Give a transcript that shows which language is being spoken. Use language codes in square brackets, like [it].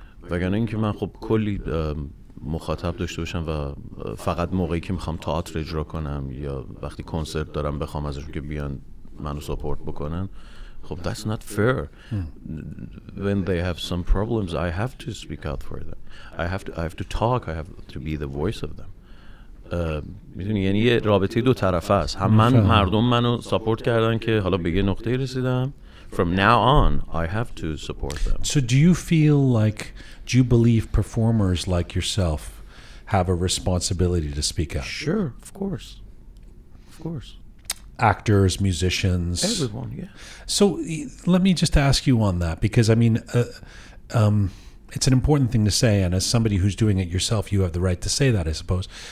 [fa] وگرنه اینکه من خب کلی مخاطب داشته باشم و فقط موقعی که میخوام تئاتر اجرا کنم یا وقتی کنسرت دارم بخوام ازشون که بیان منو سپورت بکنن خب [en] that's not fair. When they have some problems, I have to speak out for them. I have to talk. I have to be the voice of them. [fa] میدونی یعنی یه رابطه دو طرفه است. هم من مردم منو سپورت کردن که حالا به یه نقطه رسیدم. [en] From now on, I have to support them. So do you feel like, do you believe performers like yourself have a responsibility to speak out? Sure, of course. Of course. Actors, musicians. Everyone, yeah. So let me just ask you on that, because, I mean, it's an important thing to say, and as somebody who's doing it yourself, you have the right to say that, I suppose.